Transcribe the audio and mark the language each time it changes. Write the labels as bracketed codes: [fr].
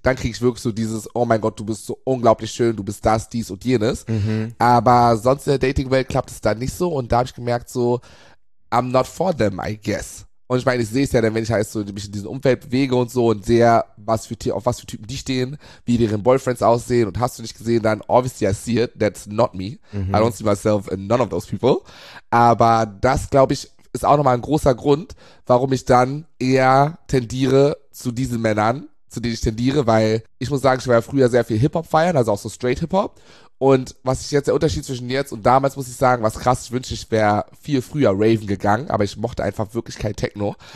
[de] Dann kriege ich wirklich so dieses, oh mein Gott, du bist so unglaublich schön, du bist das, dies und jenes. Aber sonst in der Dating-Welt klappt es dann nicht so. Und da habe ich gemerkt so, [en] I'm not for them, I guess. [de] Und ich meine, ich sehe es ja dann, wenn ich halt so mich in diesem Umfeld bewege und so und sehe, was für, auf was für Typen die stehen, wie deren Boyfriends aussehen. Und hast du nicht gesehen, dann [en] obviously I see it, that's not me. I don't see myself in none of those people. [de] Aber das, glaube ich, ist auch nochmal ein großer Grund, warum ich dann eher tendiere zu diesen Männern, zu denen ich tendiere, weil ich muss sagen, ich war ja früher sehr viel Hip-Hop feiern, also auch so Straight-Hip-Hop. Und was ich jetzt, der Unterschied zwischen jetzt und damals, muss ich sagen, was krass, ich wünschte, ich wäre viel früher Raven gegangen, aber ich mochte einfach wirklich kein Techno.